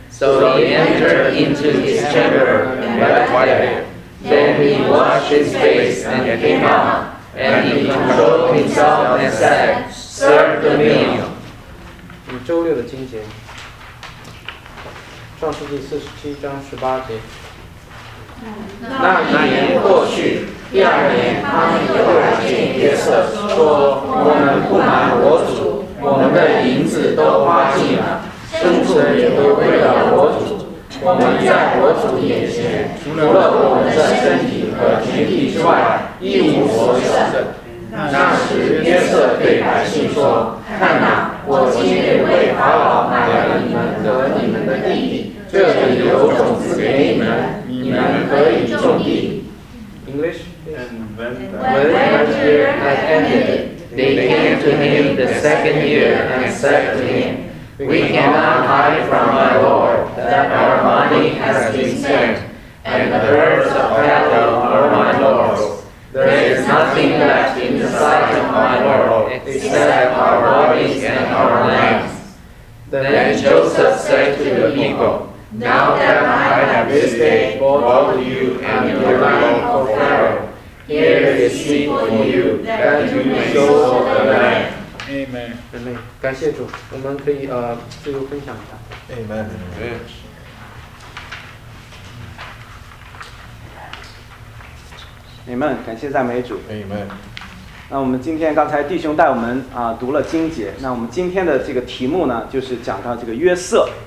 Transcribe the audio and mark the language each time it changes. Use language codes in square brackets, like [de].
[en] So he entered into his chamber and wept there. Then he washed his face and came out, and he controlled himself and said, Serve the meal. [zh] 周六的经节，创世纪四十七章十八节。那年过去，第二年他们又来见约瑟，说：我们不瞒我主。我们的银子都花尽了，牲畜也都归了我主。我们在我主眼前，除了我们的身体和田地之外，一无所有。那时约瑟对百姓说：“看哪，我今日为法老买了你们和你们的地，这里有种子给你们，你们可以种地。” [en] English and when the year had ended. They came to him the second year and said to him, We cannot hide from my Lord that our money has been spent, and the herds of cattle are my Lord's. There is nothing left in the sight of my Lord except our bodies and our lands. Then Joseph said to the people, Now that I have this day brought to you and your land of Pharaoh,Here is sheep for you, that you may sow the land. Amen. Amen. [zh] 感谢主，我们可以自由分享一下。 [en] Amen. Amen. Amen. [zh] 你们感谢赞美主。 [en] Amen. [zh] 那我们今天刚才弟兄带我们读了经节，那我们今天的这个题目呢，就是讲到这个约瑟